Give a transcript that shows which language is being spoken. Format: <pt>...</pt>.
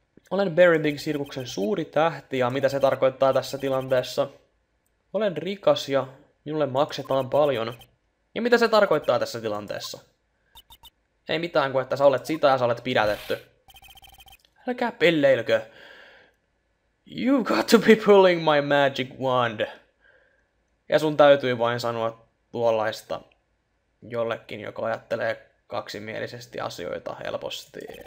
<fi>Olen Barry Big-sirkuksen suuri tähti ja mitä se tarkoittaa tässä tilanteessa? Olen rikas ja minulle maksetaan paljon. Ja mitä se tarkoittaa tässä tilanteessa? Ei mitään kuin, että sä olet sitä ja sä olet pidätetty. Älkää pelleilkö.</fi> <en>You've got to be pulling my magic wand.</en> <fi>Ja sun täytyy vain sanoa tuollaista jollekin, joka ajattelee kaksimielisesti asioita helposti.</fi>